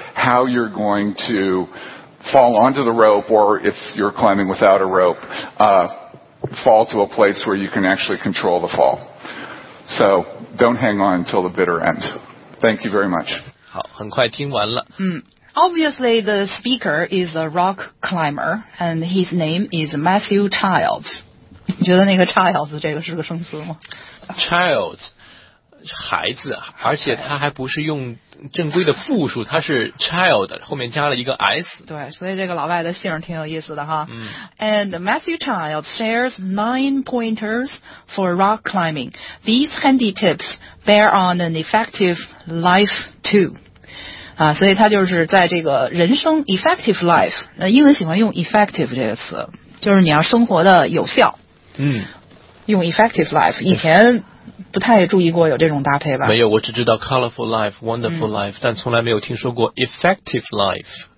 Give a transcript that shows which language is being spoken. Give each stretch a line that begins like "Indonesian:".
English: How you're going to fall onto the rope, or if you're climbing without a rope, fall to a place where you can actually control the fall. So don't hang on until the bitter end. Thank you very much.
Chinese: 好，很快听完了。
English: Obviously, the speaker is a rock climber, and his name is Matthew Childs.
Chinese: 你觉得那个 Childs 这个是个生词吗？Childs， 孩子，而且他还不是用正规的复数，他是 child， 后面加了一个 s。对，所以这个老外的姓挺有意思的哈。嗯。
English: And Matthew Childs shares 9 pointers for rock climbing. These handy tips bear on an effective life too.
Chinese: 啊，所以他就是在这个人生 effective life， 那英文喜欢用 effective 这个词，就是你要生活的有效。嗯。用 effective life， 以前不太注意过有这种搭配吧？没有，我只知道 colorful life， wonderful life， 但从来没有听说过 effective life。